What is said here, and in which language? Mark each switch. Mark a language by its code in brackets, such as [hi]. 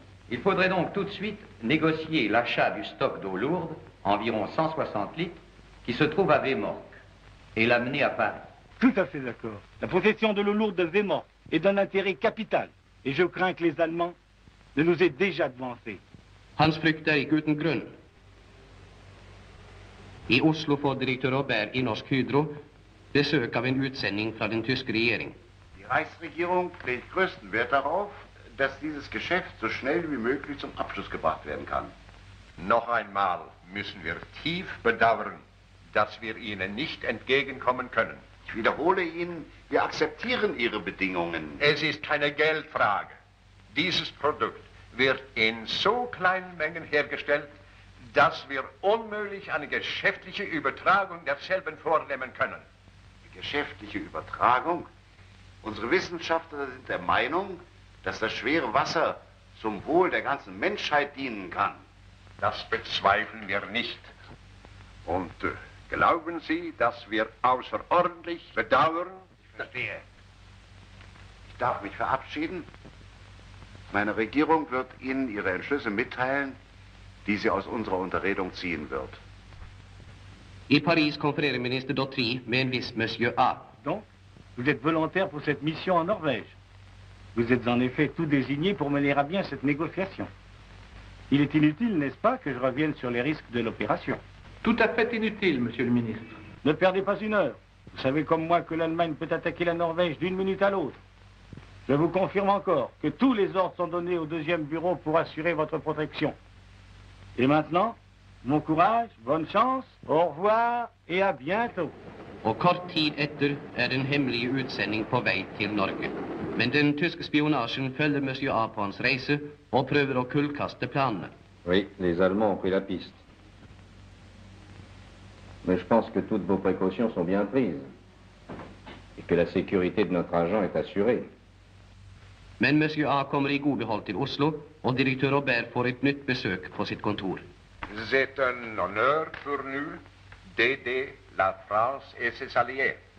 [fr] Il faudrait donc tout de suite négocier l'achat du stock d'eau lourde, environ 160 litres, qui se trouve à Vemork, et l'amener à Paris. Tout à fait d'accord. La possession de l'eau lourde de Vemork est d'un intérêt capital. Et je crains que les Allemands ne nous aient déjà devancés. [no] Hans frykt er ikke uten grunn. I Oslo får direktør Aubert i Norsk Hydro besøk av en utsending fra den tyske regjering. [de] Die Reichsregierung legt größten Wert darauf, dass dieses Geschäft so schnell wie möglich zum Abschluss gebracht werden kann. Noch einmal müssen wir tief bedauern, dass wir Ihnen nicht entgegenkommen können. Ich wiederhole Ihnen, wir akzeptieren Ihre Bedingungen. Es ist keine Geldfrage. Dieses Produkt wird in so kleinen Mengen hergestellt, dass wir unmöglich eine geschäftliche Übertragung derselben vornehmen können. Geschäftliche Übertragung? Unsere Wissenschaftler sind der Meinung, dass das schwere Wasser zum Wohl der ganzen Menschheit dienen kann. Das bezweifeln wir nicht. Und glauben Sie, dass wir außerordentlich bedauern? Ich verstehe. Ich darf mich verabschieden. Meine Regierung wird Ihnen Ihre Entschlüsse mitteilen, die sie aus unserer Unterredung ziehen wird. [no] I Paris konferere minister Dautry med en viss Monsieur A. [fr] Donc, vous êtes volontaire pour cette mission en Norvège. Vous êtes en effet tout désigné pour mener à bien cette négociation. Il est inutile, n'est-ce pas, que je revienne sur les risques de l'opération. Tout à fait inutile, monsieur le ministre. Ne perdez pas une heure. Vous savez comme moi que l'Allemagne peut attaquer la Norvège d'une minute à l'autre. Je vous confirme encore que tous les ordres sont donnés au deuxième bureau pour assurer votre protection. Et maintenant, bon courage, bonne chance, au revoir et à bientôt. [no] Au kort tid etter er en hemmelig utsending på vei til Norge. Men den tyske spionasjen følger Monsieur A på hans reise og prøver å kullkaste planene. [fr] Oui, les Allemands ont pris la piste. Mais je pense que toutes vos précautions sont bien prises. Et que la sécurité de notre agent est assurée. [no] Men Monsieur A kommer i god behold til Oslo, og direktør Aubert får et nytt besøk på sitt kontor. [fr] C'est un honneur pour nous d'aider la France et ses alliés.